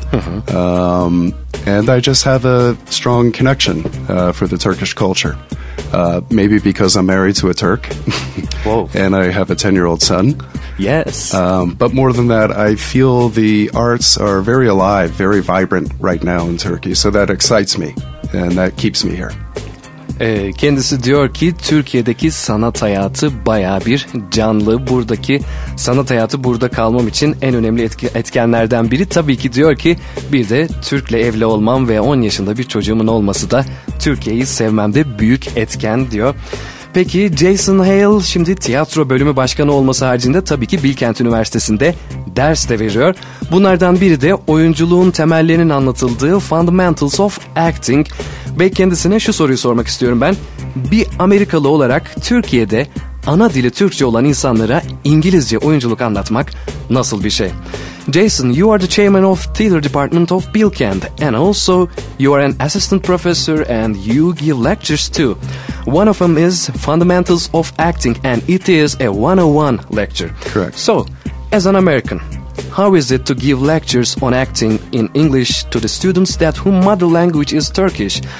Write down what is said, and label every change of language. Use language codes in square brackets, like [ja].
[en] Mm-hmm. And I just have a strong connection for the Turkish culture. Maybe because I'm married to a Turk. Whoa. And I have a 10-year-old son. Yes. But more than that, I feel the arts are very alive, very vibrant right now in Turkey. So that excites me and that keeps me here. [tr] Kendisi diyor ki Türkiye'deki sanat hayatı bayağı bir canlı. Buradaki sanat hayatı burada kalmam için en önemli etkenlerden biri. Tabii ki diyor ki bir de Türk'le evli olmam ve 10 yaşında bir çocuğumun olması da Türkiye'yi sevmemde büyük etken diyor. Peki Jason Hale şimdi tiyatro bölümü başkanı olması haricinde tabii ki Bilkent Üniversitesi'nde ders de veriyor. Bunlardan biri de oyunculuğun temellerinin anlatıldığı Fundamentals of Acting. Ve kendisine şu soruyu sormak istiyorum ben. Bir Amerikalı olarak Türkiye'de ana dili Türkçe olan insanlara İngilizce oyunculuk anlatmak nasıl bir şey? [en] Jason, you are the chairman of theater department of Bilkent, and also you are an assistant professor and you give lectures too. One of them is Fundamentals of Acting, and it is a 101 lecture. Correct. So, as an American, how is it to give lectures on acting in English to the students that whose mother language is Turkish?